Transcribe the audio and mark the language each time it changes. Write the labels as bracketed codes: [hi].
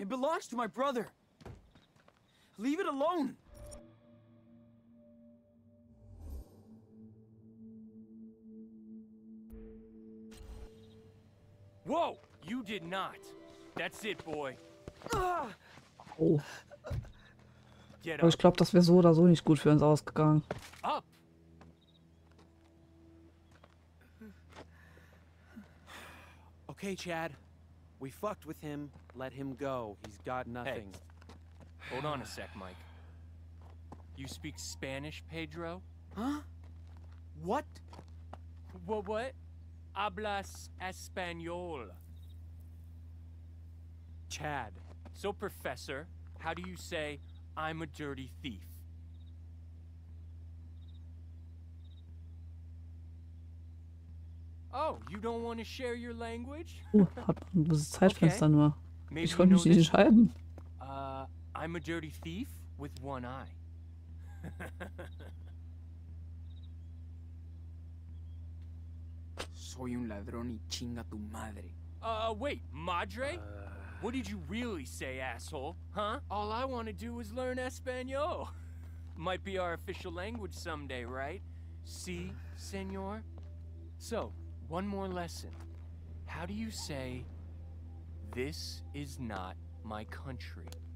[en] It belongs to my brother. Leave it alone. Whoa, you did not. That's it, boy. Oh. [de] Aber ich glaube, das wäre so oder so nicht gut für uns ausgegangen. [en] Up. Okay, Chad. We fucked with him. Let him go. He's got nothing. Hey. Hold on a sec, Mike. You speak Spanish, Pedro? Huh? What? What? [es] Hablas español. [en] Chad. So, Professor, how do you say I'm a dirty thief? Oh, you don't want to share your language? [de] Hat man dieses Zeitfenster nur. [en] Maybe [de] ich konnte mich nicht entscheiden. [en] I'm a dirty thief with one eye. [es] Soy un ladrón y chinga tu madre. [en] Wait, madre? What did you really say, asshole? Huh? All I want to do is learn Espanol. Might be our official language someday, right? [es] Si, senor? [en] So, one more lesson. How do you say, this is not my country?